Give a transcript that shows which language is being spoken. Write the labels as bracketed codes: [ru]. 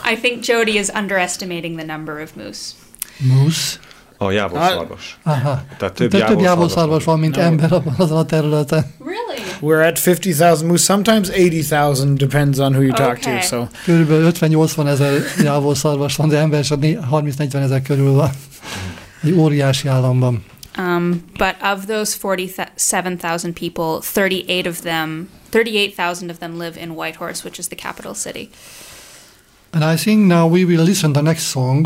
[en] I think Jody is underestimating the number of moose. Moose? [hu] A jávolszarvas. Aha. Tehát több jávolszarvas van, mint ember abban az a területen. [en] We're at 50,000 moose, sometimes 80,000, depends on who you talk to. So. [hu] Körülbelül 50-80 ezer jávolszarvas van, de ember csak 30-40 ezer körül van. Egy óriási államban. [en] But of those 47,000 people, 38,000 of them live in Whitehorse, which is the capital city. And I think now we will listen to the next song.